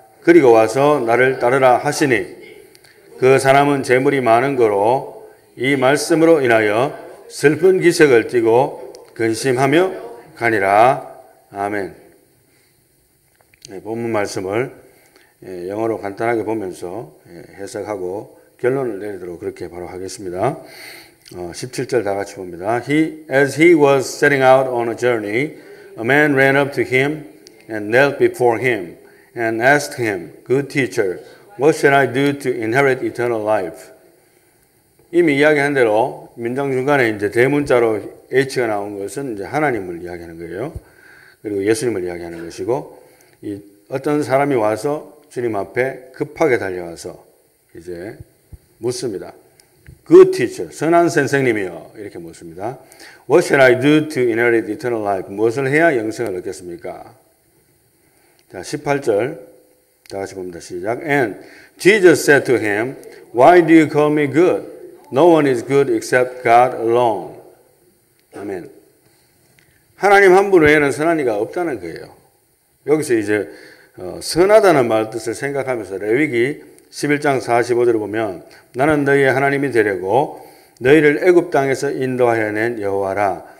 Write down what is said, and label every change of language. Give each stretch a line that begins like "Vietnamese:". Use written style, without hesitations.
Korean: 그리고 와서 나를 따르라 하시니 그 사람은 재물이 많은 거로 이 말씀으로 인하여 슬픈 기색을 띠고 근심하며 가니라. 아멘. 네, 본문 말씀을 영어로 간단하게 보면서 해석하고 결론을 내리도록 그렇게 바로 하겠습니다. 17절 다 같이 봅니다.
English: As he was setting out on a journey, a man ran up to him and knelt before him and asked him, Good teacher, what should I do to inherit eternal life?
Korean: 이미 이야기한 대로 문장 중간에 이제 대문자로 H가 나온 것은 이제 하나님을 이야기하는 거예요. 그리고 예수님을 이야기하는 것이고 이 어떤 사람이 와서 주님 앞에 급하게 달려와서 이제 묻습니다.
English: Good teacher,
Korean: 선한 선생님이요. 이렇게 묻습니다.
English: What should I do to inherit eternal life?
Korean: 무엇을 해야 영생을 얻겠습니까? 자, 18절 다 같이 봅니다. 시작.
English: And Jesus said to him, Why do you call me good? No one is good except God alone. Amen.
Korean: 하나님 한 분 외에는 선한 이가 없다는 거예요. 여기서 이제 선하다는 말 뜻을 생각하면서 레위기 11장 45절을 보면 나는 너희의 하나님이 되려고 너희를 애굽 땅에서 인도하여 낸 여호와라.